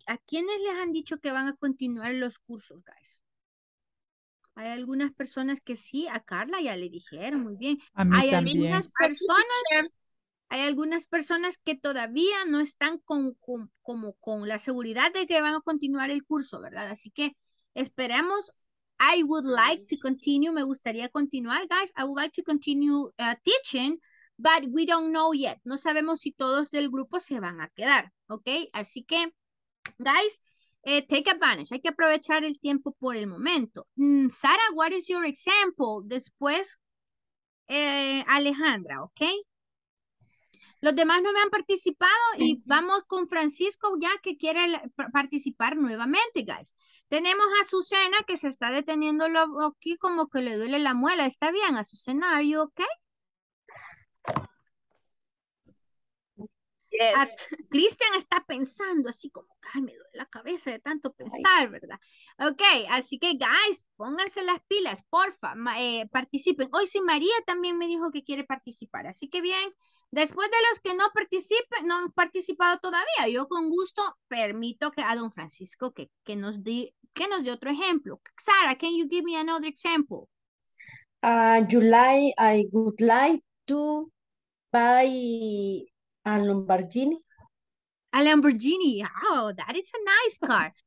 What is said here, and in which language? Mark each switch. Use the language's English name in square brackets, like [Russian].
[Spanish] ¿A quiénes les han dicho que van a continuar los cursos, guys? Hay algunas personas que sí, a Carla ya le dijeron, muy bien. Hay algunas personas que todavía no están con la seguridad de que van a continuar el curso, ¿verdad? Así que esperemos. [English] I would like to continue, [Spanish] me gustaría continuar, [English] guys. I would like to continue teaching. But we don't know yet. [Spanish] No sabemos si todos del grupo se van a quedar. Ok. Así que, guys, [English] take advantage. [Spanish] Hay que aprovechar el tiempo por el momento. [English] Sara, what is your example? Después, Alejandra, ok. [Spanish] Los demás no me han participado y vamos con Francisco ya que quiere participar nuevamente, guys. Tenemos a Azucena que se está deteniendo aquí como que le duele la muela. Está bien, [English] Azucena, are you ok? Yes. [Spanish] Cristian está pensando así como, ay, me duele la cabeza de tanto pensar, ¿verdad? Ok, así que, guys, pónganse las pilas, porfa, participen. Hoy sí, María también me dijo que quiere participar, así que bien, Después de los que no participen, no han participado todavía, yo con gusto permito que a don Francisco que nos dé otro ejemplo. [English] Sara, can you give me another example? July, I would like to buy a Lamborghini. A Lamborghini, oh, that is a nice car.